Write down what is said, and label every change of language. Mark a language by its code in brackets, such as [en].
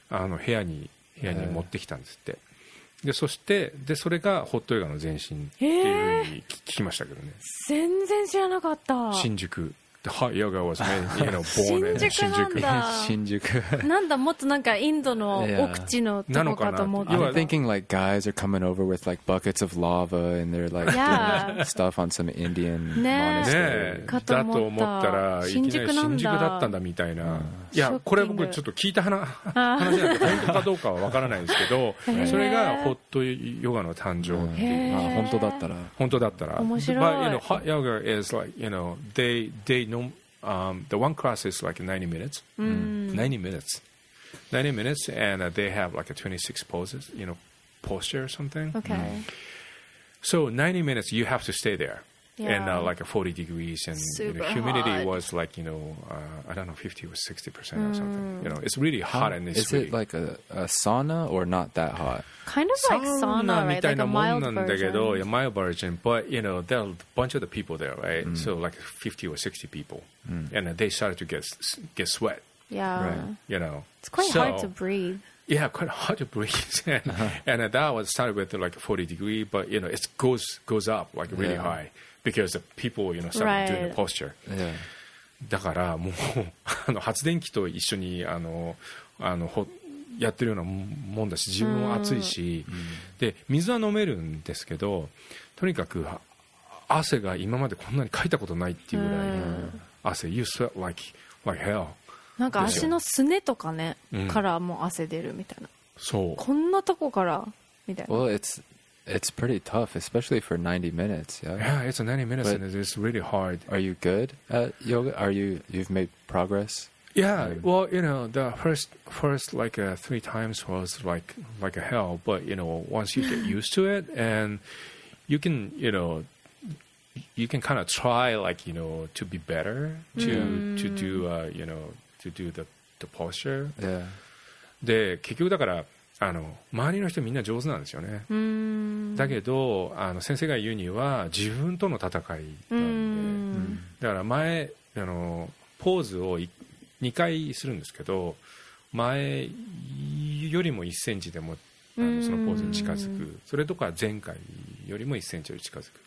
[ja] あの部屋に持ってきたんですってでそしてでそれがホットヨガの前身っていうふうに聞きましたけどね全然知らなかった [en] 新宿ホットヨガ was made, you know, born in [ja] 新宿なんだ新宿なんだもっとなんかインドの奥地のとこかと思った [en] I'm thinking like guys are coming over with like buckets of lava and they're like doing stuff on some Indian monastery [ja] だと思ったらいきなり新宿だったんだみたいないやこれ僕ちょっと聞いた話じゃないかどうかは分からないですけどそれがホットヨガの誕生っていう本当だったら面白い But [en] you know, hot yoga is like, you know, they No, the one class is like 90 minutes. 90 minutes, and they have like a 26 poses, you know, posture or something. Okay. So 90 minutes, you have to stay there. Yeah. And like 40 degrees and the humidity hot. Was like, you know, I don't know, 50 or 60% or something. You know, it's really hot in this city. Is it like a sauna or not that hot? Kind of like sauna, right? Like a mild version. A mild version. But, you know, there are a bunch of the people there, right? Mm. So like 50 or 60 people. Mm. And they started to get sweat. Yeah. Right. You know. It's quite hard to breathe. Yeah, quite hard to breathe. And that was started with like 40 degrees. But, you know, it goes up like really high. Because the people, you know, start doing the posture. Yeah. [ja] だからもう発電機と一緒にやってるようなもんだし、自分も暑いし、で水は飲めるんですけど、とにかく汗が今までこんなにかいたことないっていうぐらい汗。 [en] You sweat like hell。 [ja] なんか足のすねとかね、からもう汗出るみたいな。そう。こんなとこからみたいな。 [en] Well, It's pretty tough, especially for 90 minutes. Yeah, yeah, it's 90 minutes, but and it's really hard. Are you good at yoga? Are you, you've made progress? Yeah, well, you know, the first like three times was like a hell. But, you know, once you get used to it and you can, you know, you can kind of try like, you know, to be better to do, you know, to do the posture. Yeah. [ja] で、結局だから、周りの人みんな上手なんですよね。だけど先生が言うには自分との戦いなんで、だから前ポーズを2回するんですけど、前よりも1センチでもそのポーズに近づく、それとか前回よりも1センチより近づく、